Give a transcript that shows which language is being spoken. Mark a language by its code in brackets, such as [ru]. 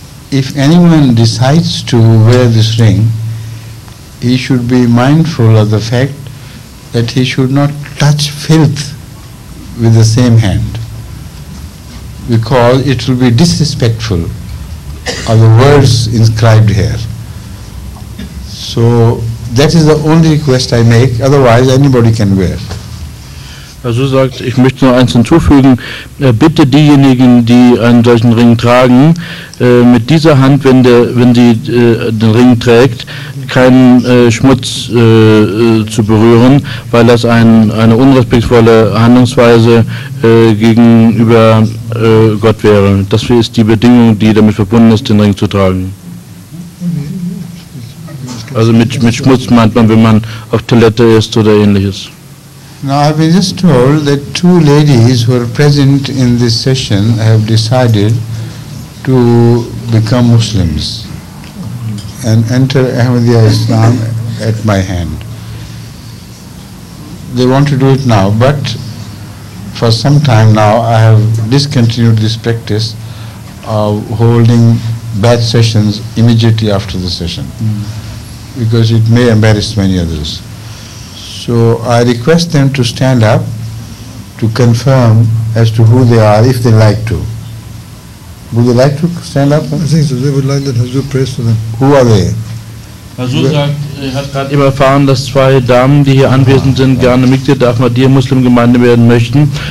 [en] If anyone decides to wear this ring, he should be mindful of the fact that he should not touch filth with the same hand, because it will be disrespectful of the words inscribed here. So that is the only request I make, otherwise anybody can wear. [de] Also sagt, ich möchte nur eins hinzufügen, bitte diejenigen, die einen solchen Ring tragen, mit dieser Hand, wenn sie den Ring trägt, keinen Schmutz zu berühren, weil das eine unrespektvolle Handlungsweise gegenüber Gott wäre. Das ist die Bedingung, die damit verbunden ist, den Ring zu tragen. Also mit Schmutz meint man, wenn man auf Toilette ist oder ähnliches. [en] Now I've been just told that two ladies who are present in this session have decided to become Muslims and enter Ahmadiyya Islam at my hand. They want to do it now, but for some time now I have discontinued this practice of holding bad sessions immediately after the session, because it may embarrass many others. So I request them to stand up to confirm as to who they are, if they like to. Would they like to stand up? I think so. They would like that Hazur prays for them. Who are they? [de] Hazur sagt, er hat gerade erfahren, dass zwei Damen, die hier anwesend sind, gerne Mitglied der Ahmadiyya Muslimgemeinde werden möchten.